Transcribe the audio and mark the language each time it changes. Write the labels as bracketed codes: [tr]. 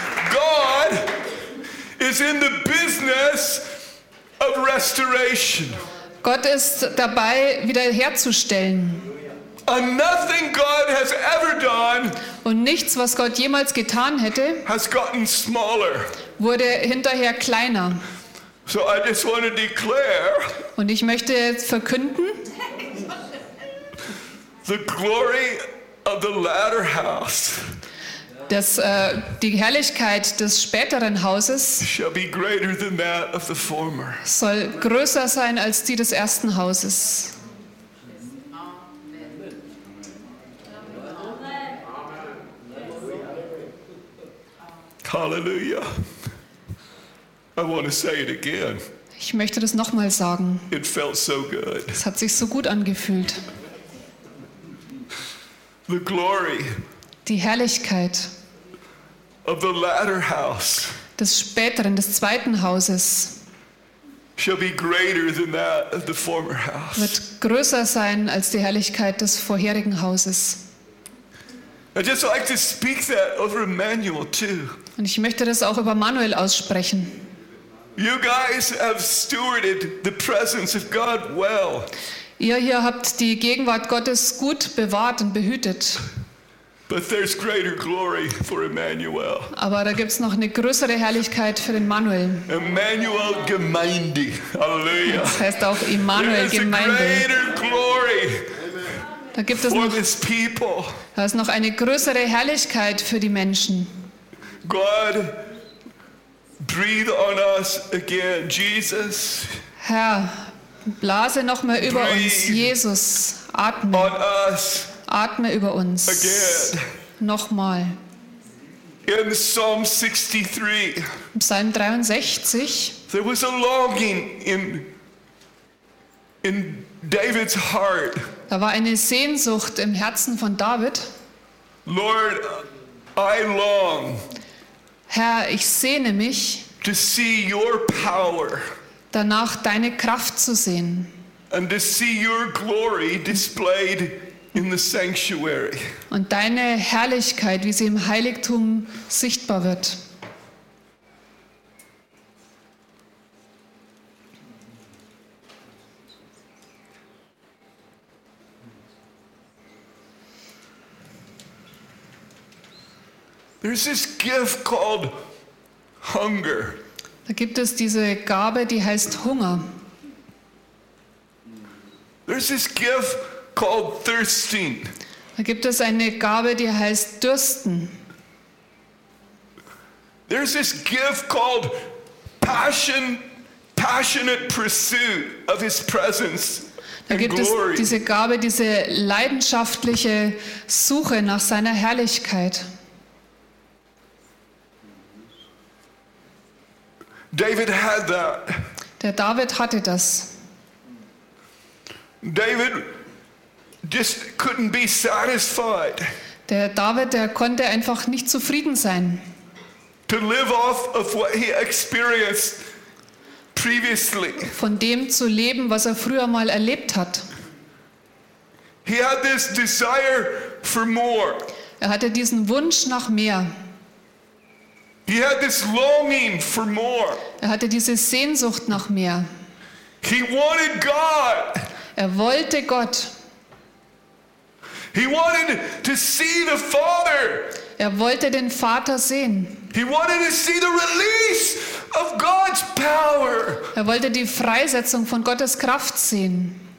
[en] God is in the business of restoration. [de] Gott ist dabei, wiederherzustellen. [en] And nothing God has ever done. [de] Und nichts, was Gott jemals getan hätte, [en] has gotten smaller. [de] Wurde hinterher kleiner. [en] So I just want to declare. [de] Und ich möchte jetzt verkünden. [en] The glory of the latter house. [de] Dass die Herrlichkeit des späteren Hauses [en] shall be greater than that of the former. [de] Soll größer sein als die des ersten Hauses. [en] Halleluja. I want to say it again. [de] Ich möchte das nochmal sagen. [en] It felt so good. [de] Es hat sich so gut angefühlt. [en] The glory. [de] Die Herrlichkeit. [en] Of the latter house. [de] Des späteren, des zweiten Hauses. [en] Shall be greater than that of the former house. [de] Wird größer sein als die Herrlichkeit des vorherigen Hauses. [en] I'd just like to speak that over Emmanuel too. [de] Und ich möchte das auch über Manuel aussprechen. [en] You guys have stewarded the presence of God well. [de] Ihr hier habt die Gegenwart Gottes gut bewahrt und behütet. [en] But there's greater glory for Emmanuel. [de] Aber da gibt's noch eine größere Herrlichkeit für den Manuel. [en] Emmanuel Gemeinde. Halleluja. [de] Das heißt auch Emmanuel Gemeinde. [en] There's a greater glory. [de] Da gibt es noch, da ist noch eine größere Herrlichkeit für die Menschen. [en] God, breathe on us again, Jesus. [de] Herr, blase noch mal über uns, Jesus. Atme. [en] On us. [de] Atme über uns. [en] Again. [de] Nochmal. [en] In Psalm 63. [de] Psalm 63. [en] There was a longing in David's heart. [de] Da war eine Sehnsucht im Herzen von David. [en] Lord, I long. [de] Herr, ich sehne mich. [en] To see your power. [de] Danach deine Kraft zu sehen. [en] And to see your glory displayed in the sanctuary. [de] Und deine Herrlichkeit, wie sie im Heiligtum sichtbar wird. [en] There's this gift called hunger. [de] Da gibt es diese Gabe, die heißt Hunger. [en] There's this gift called thirsting. [de] Da gibt es eine Gabe, die heißt Dürsten. [en] There's this gift called passionate pursuit of his presence and glory. [de] Da gibt es diese Gabe, diese leidenschaftliche Suche nach seiner Herrlichkeit. [en] David had that. [de] Der David hatte das. [en] David just couldn't be satisfied. [de] Der David, der konnte einfach nicht zufrieden sein. [en] To live off of what he experienced previously. [de] Von dem zu leben, was er früher mal erlebt hat. [en] He had this desire for more. [de] Er hatte diesen Wunsch nach mehr. [en] He had this longing for more. [de] Er hatte diese Sehnsucht nach mehr. [en] He wanted God. [de] Er wollte Gott. [en] He wanted to see the Father. [de] Er wollte den Vater sehen. [en] He wanted to see the release of God's power. [de] Er wollte die Freisetzung von Gottes Kraft sehen.